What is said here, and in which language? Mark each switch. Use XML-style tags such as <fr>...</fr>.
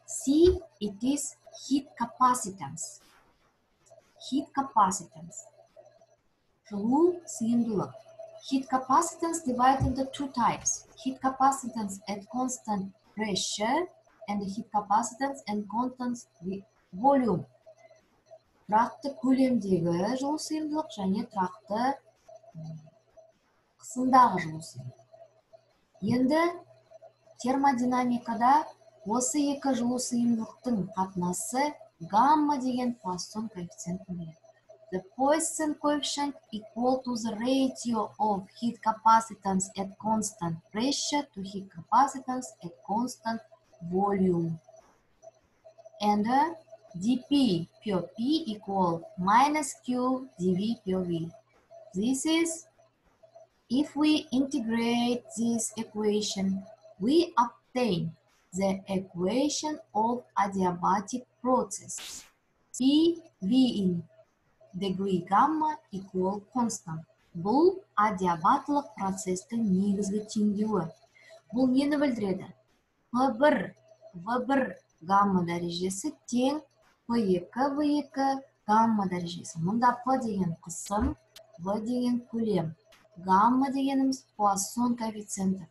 <en>C it is heat capacitance. Heat capacitance.</en> <kk>Жылу сыйымдылық.</kk> <en>Heat capacitance divided into two types. Heat capacitance at constant pressure and heat capacitance at constant volume.</en> <kk>Тұрақты көлемдегі жылу сыйымдылық және тұрақты қысымдағы жылу сыйымдылық. Енді термодинамикада осы екі жылу сыйымдылықтың қатынасы гамма деген Пуассон коэффициентін береді.</kk> <en>The Poisson coefficient equal to the ratio of heat capacitance at constant pressure to heat capacitance at constant volume. And dP pure P equal minus Q dV pure V. This is, if we integrate this equation, we obtain the equation of adiabatic process. P, V in degree gamma equal constant.</en> <kk>Бұл адиабатикалық процестің негізгі теңдеуі. Бұл нені білдіреді? V1 гамма дәрежесі тең P2 V2 гамма дәрежесі. Мұнда P деген қысым, V деген көлем. Гамма дегеніміз Пуассон коэффициенті.</kk>